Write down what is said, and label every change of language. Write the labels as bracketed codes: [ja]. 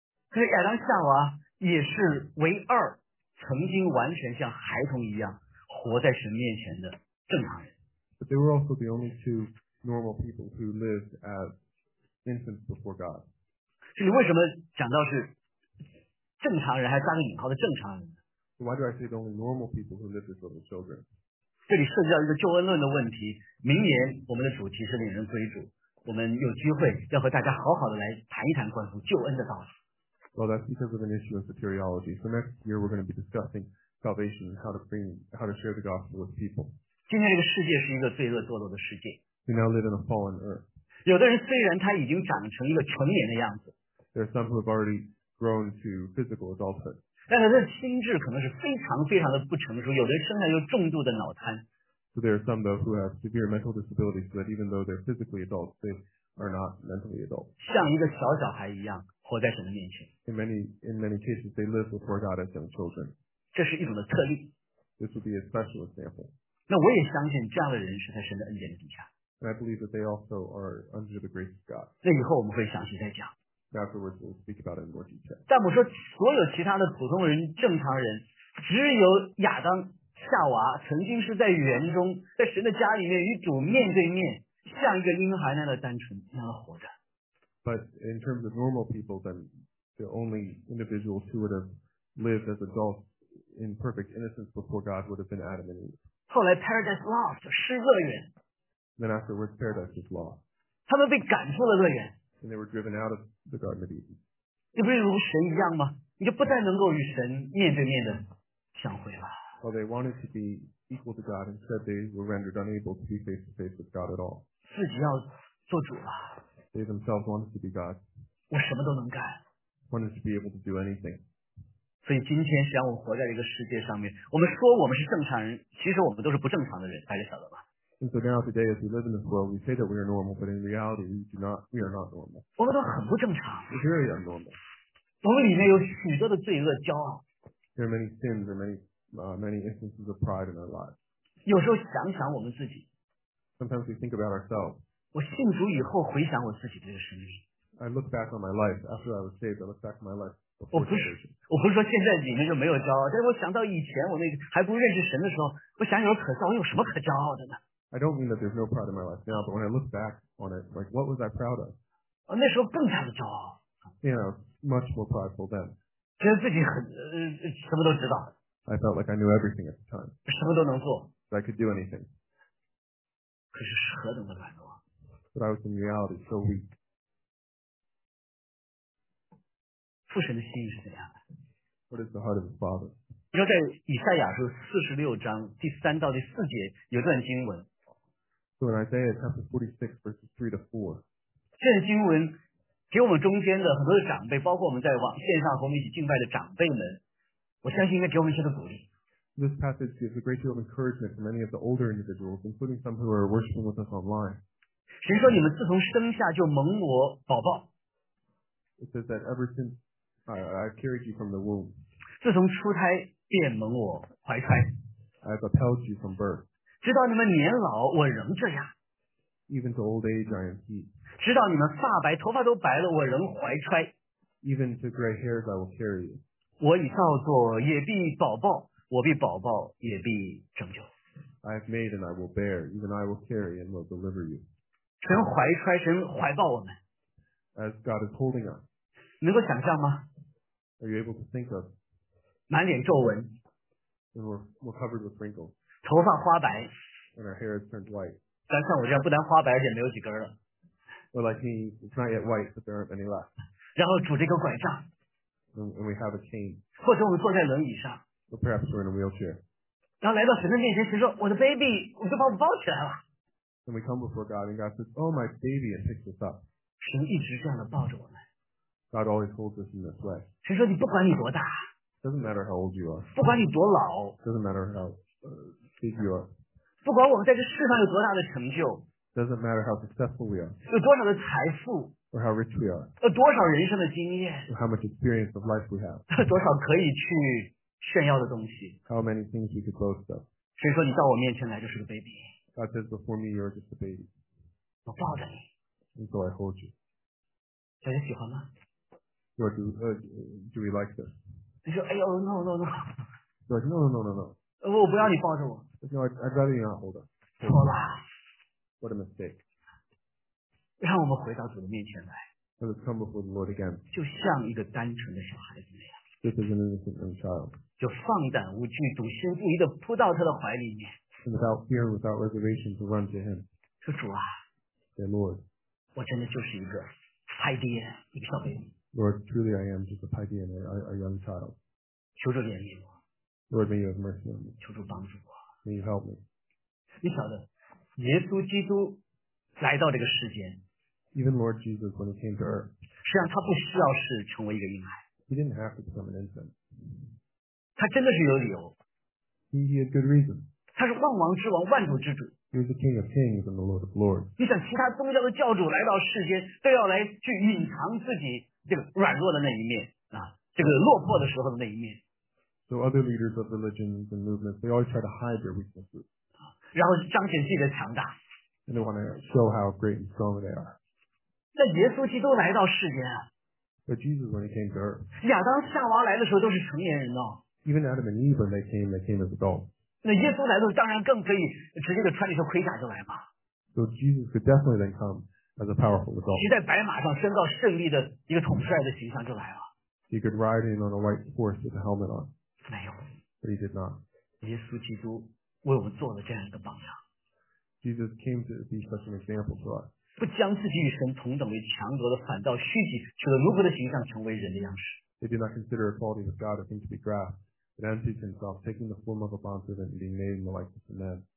[zh] 可是亚当夏娃也是唯二曾经完全像孩童一样活在神面前的正常人。 [en] But they were also the only two normal people who lived as infants before God. [zh] 所以为什么讲到是正常人还加个引号的正常人呢？ [en] Why do I say the only normal people who live as little children? [zh] 这里涉及到一个救恩论的问题，明年我们的主题是令人归主，我们有机会要和大家好好的来谈一谈关乎救恩的道理。 [en] Well, that's because of an issue in soteriology. So next year we're going to be discussing salvation and how to share the gospel with people. [zh] 今天这个世界是一个罪恶堕落的世界。 [en] We now live in a fallen earth. [zh] 有的人虽然他已经长成一个成年的样子， [en] There are some who have already grown to physical adulthood. [zh] 但他的心智可能是非常非常的不成熟，有的人生来就重度的脑瘫。 [en] So there are some though who have severe mental disabilities, but even though they're physically adults, they are not mentally adult. [zh] 像一个小小孩一样活在神的面前。 [en] In many cases, they live before God as young children. [zh] 这是一种的特例。 [en] This would be a special example. [zh] 那我也相信这样的人是在神的恩典底下。 [en] And I believe that they also are under the grace of God. [zh] 那以后我们会详细再讲。 [en] Afterwards, we'll speak about it in more detail. [zh] 但我说，所有其他的普通人、正常人，只有亚当、夏娃曾经是在园中，在神的家里面与主面对面，像一个婴孩那样的单纯，那样的活着。 [en] But in terms of normal people, then the only individuals who would have lived as adults in perfect innocence before God would have been Adam and Eve. [zh] 后来 [en] Paradise Lost, [zh] 失乐园。 [en] Then afterwards, paradise was lost. [zh] 他们被赶出了乐园。 [en] And they were driven out of the Garden of Eden. [zh] 你不是如神一样吗？你就不再能够与神面对面的相会了。 [en] Well, they wanted to be equal to God, and said they were rendered unable to be face to face with God at all. [zh] 自己要做主了。 [en] They themselves wanted to be God. [zh] 我什么都能干。 [en] Wanted to be able to do anything. [zh] 所以今天，想我活在这个世界上面，我们说我们是正常人，其实我们都是不正常的人，大家晓得吧？ [en] And so now today, as we live in this world, we say that we are normal, but in reality, we are not normal. [zh] 我们都很不正常。 [en] We're very abnormal. [zh] 我们里面有许多的罪恶、骄傲。 [en] There are many sins and many instances of pride in our lives. [zh] 有时候想想我们自己。 [en] Sometimes we think about ourselves. [zh] 我信主以后回想我自己的生命。 [en] I look back on my life after I was saved. I look back on my life before. [zh] 我不是说现在里面就没有骄傲，但是我想到以前我那个还不认识神的时候，我想想可笑，我有什么可骄傲的呢？ [en] I don't mean that there's no pride in my life now, but when I look back on it, like, what was I proud of? [zh] 那时候更加的骄傲。 [en] You know, much more prideful then. [zh] 觉得自己很什么都知道。 [en] I felt like I knew everything at the time. [zh] 什么都能做。 [en] That I could do anything. [zh] 可是何等的软弱。 [en] But I was in reality so weak. [zh] 父神的心意是怎样的？ [en] What is the heart of the Father? [zh] 你说在以赛亚书46章第3到第4节有段经文。 [en] So in Isaiah chapter 46, verses 3 to 4, [zh] 这经文给我们中间的很多的长辈，包括我们在网线上和我们一起敬拜的长辈们，我相信应该给我们一些的鼓励。 [en] This passage gives a great deal of encouragement for many of the older individuals, including some who are worshiping with us online. [zh] 谁说你们自从生下就蒙我宝宝？ [en] It says that ever since I carried you from the womb. [zh] 自从出胎便蒙我怀揣。 [en] I've upheld you from birth. [zh] 直到你们年老，我仍这样。 [en] Even to old age, I am he. [zh] 直到你们发白，头发都白了，我仍怀揣。 [en] Even to gray hairs, I will carry you. [zh] 我已造作，也必宝宝。我必宝宝，也必拯救。 [en] I have made and I will bear, even I will carry and will deliver you. [zh] 神怀揣，神怀抱我们。 [en] As God is holding us. [zh] 能够想象吗？ [en] Are you able to think of? [zh] 满脸皱纹。 [en] And we're covered with wrinkles. [zh] 头发花白。 [en] And our hair has turned white. [zh] 但像我这样不但花白，而且没有几根了。 [en] Well, like me, it's not yet white, but there aren't any left. [zh] 然后拄着一个拐杖。 [en] And we have a cane. [zh] 或者我们坐在轮椅上。 [en] Or perhaps we're in a wheelchair. [zh] 然后来到神的面前，神说：“我的 baby， 我就把我抱起来了。” [en] And we come before God, and God says, "Oh, my baby," and picks us up. [zh] 神一直这样的抱着我们。 [en] God always holds us in this way. [zh] 神说：“你不管你多大。” [en] Doesn't matter how old you are. [zh] 不管你多老。 [en] Doesn't matter how big you are. [zh] 不管我们在这世上有多大的成就。 [en] Doesn't matter how successful we are. [zh] 有多少的财富。 [en] Or how rich we are. [zh] 有多少人生的经验。 [en] Or how much experience of life we have. [zh] 多少可以去。炫耀的东西。 [en] How many things you could boast of? [zh] 所以说你到我面前来就是个 baby. [en] God says before me you're just a baby. [zh] 我抱着你。 [en] And so I hold you. [zh] 小姐喜欢吗？ [en] Do we like this? [zh] 你说哎呦 no. [en] You're like no. [zh] 我不要你抱着我。 [en] No, I'd rather you not hold us. [zh] 错了。 [en] What a mistake. [zh] 让我们回到主的面前来。 [en] Let us come before the Lord again. [zh] 就像一个单纯的小孩子那样。 [en] This is an innocent young child. [zh] 就放胆无惧，笃心不移地扑到他的怀里面。 [en] And without fear, without reservation, to run to him. [zh] 说主啊。 [en] Say, Lord. [zh] 我真的就是一个胎爹，一个小 baby. [en] Lord, truly I am just a [zh] 胎爹 [en] a young child. [zh] 求主怜悯我。 [en] Lord, may you have mercy on me. [zh] 求主帮助我。 [en] May you help me. [zh] 你晓得，耶稣基督来到这个世间。 [en] Even Lord Jesus, when he came to earth. [zh] 实际上他不需要是成为一个婴孩。 [en] He didn't have to become an infant. [zh] 他真的是有理由。 [en] He had good reason. [zh] 他是万王之王，万主之主。 [en] He was the King of Kings and the Lord of Lords. [zh] 你想其他宗教的教主来到世间，都要来去隐藏自己这个软弱的那一面啊，这个落魄的时候的那一面。 [en] So other leaders of religions and movements, they always try to hide their weaknesses. [zh] 然后彰显自己的强大。 [en] And they want to show how great and strong they are. [zh] 那耶稣基督来到世间啊。 [en] But Jesus, when he came to earth, [zh] 亚当夏娃来的时候都是成年人哦。 [en] Even Adam and Eve, when they came as adults. [zh] 那耶稣来的时候当然更可以直接的穿着一身盔甲就来嘛。 [en] So Jesus could definitely then come as a powerful adult. [zh] 骑在白马上，宣告胜利的一个统帅的形象就来了。 [en] He could ride in on a white horse with a helmet on. [zh] 没有。 [en] But he did not. [zh] 耶稣基督为我们做了这样一个榜样。 [en] Jesus came to be such an example for us. [zh] 不将自己与神同等为强夺的，反倒虚己，取了奴仆的形象，成为人的样式。 [en] They did not consider equality with God a thing to be grasped, but emptied himself, taking the form of a bondservant and being made in the likeness of men.